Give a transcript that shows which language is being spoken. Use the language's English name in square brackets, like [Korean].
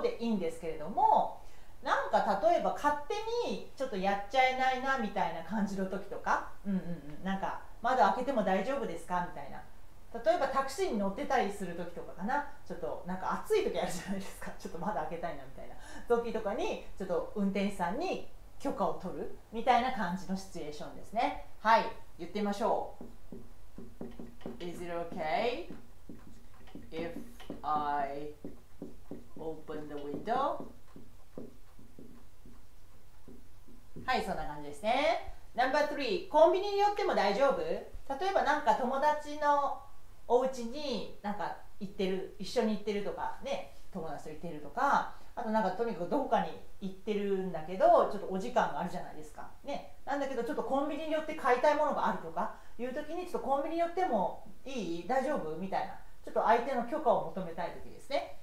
[Japanese] でいいんですけれども、なんか例えば勝手にちょっとやっちゃえないなみたいな感じのときとか、なんか窓を開けても大丈夫ですかみたいな。例えばタクシーに乗ってたりするときとかかな。ちょっとなんか暑いときあるじゃないですか。ちょっと窓開けたいなみたいな。ときとかに、ちょっと運転手さんに許可を取るみたいな感じのシチュエーションですね。はい、言ってみましょう。 [English] Is it okay if I open the window? [Japanese] はい、そんな感じですね。 [English] Number three、 [Japanese] コンビニに寄っても大丈夫？例えばなんか友達のお家になんか行ってる、一緒に行ってるとかね、友達と行ってるとか、あとなんかとにかくどこかに行ってるんだけど、ちょっとお時間があるじゃないですか、ね、なんだけどちょっとコンビニによって買いたいものがあるとかいう時に、ちょっとコンビニによってもいい、大丈夫みたいな、ちょっと相手の許可を求めたい時ですね。